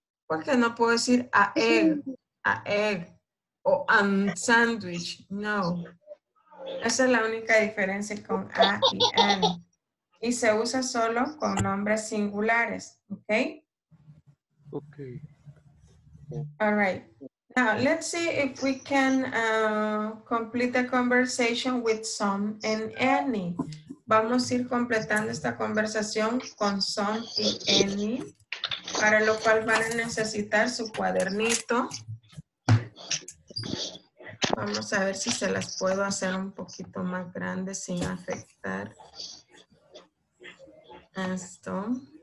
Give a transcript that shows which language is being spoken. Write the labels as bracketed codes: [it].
[es] Porque no puedo decir a egg o a sandwich. No. Esa es la única diferencia con a y an. Y se usa solo con nombres singulares, ¿ok? Ok. [en] All right. Now, let's see if we can complete the conversation with some and any. [es] Vamos a ir completando esta conversación con some y any, para lo cual van a necesitar su cuadernito. Vamos a ver si se las puedo hacer un poquito más grandes sin afectar esto.